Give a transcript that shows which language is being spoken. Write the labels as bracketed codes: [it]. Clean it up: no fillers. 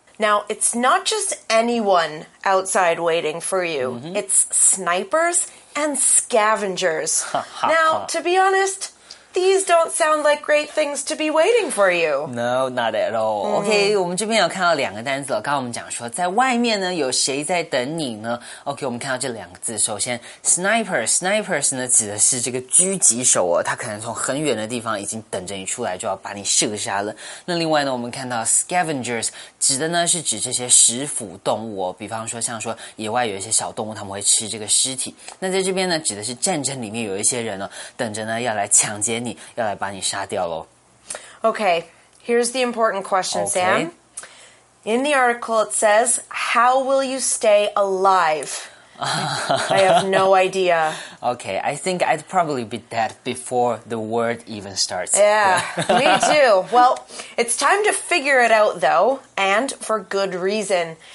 [en] Now it's not just anyone outside waiting for you、 mm-hmm. It's snipers and scavengers Now to be honest These don't sound like great things to be waiting for you. No, not at all.、 Mm-hmm. [zh] OK, 我们这边有看到两个单词了。刚刚我们讲说在外面呢有谁在等你呢 ?OK, 我们看到这两个字。首先 ,snipers 呢指的是这个狙击手哦。他可能从很远的地方已经等着你出来就要把你射杀了。那另外呢我们看到 scavengers, 指的呢是指这些食腐动物哦。比方说像说野外有一些小动物他们会吃这个尸体。那在这边呢指的是战争里面有一些人哦等着呢要来抢劫你要来把你杀掉咯 [en] Okay, here's the important question, okay. Sam. In the article, it says, "How will you stay alive?" I have no idea. Okay, I think I'd probably be dead before the word even starts. Yeah, me too. Well, it's time to figure it out, though, and for good reason.